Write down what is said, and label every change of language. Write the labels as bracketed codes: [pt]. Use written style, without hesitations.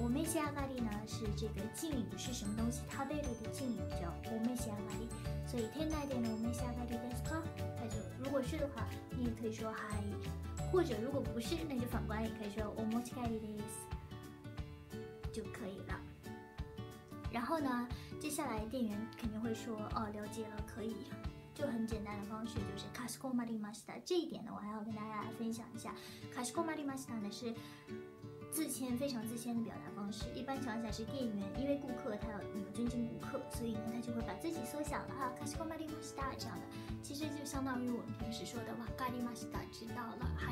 [zh] お召し上がり呢是这个敬语，是什么东西， [ja] 食べる [zh] 的敬语叫お召し上がり，所以 [ja] 店内でのお召し上がりですか， [zh] 他就如果是的话你也可以说 [ja] はい， [zh] 或者如果不是那就反过来也可以说 [ja] お持ち帰りです [zh] 就可以了。然后呢接下来店员肯定会说哦了解了可以，就很简单的方式就是 [ja] かしこまりました。 [zh] 这一点呢我还要跟大家分享一下， [ja] かしこまりました [zh] 呢是自谦，非常自谦的表达方式。一般情况下是店员因为顾客他有尊敬顾客，所以呢他就会把自己缩小了， [ja] かしこまりました [zh] 这样的，其实就相当于我们平时说的 [ja] わかりました [zh] 知道了。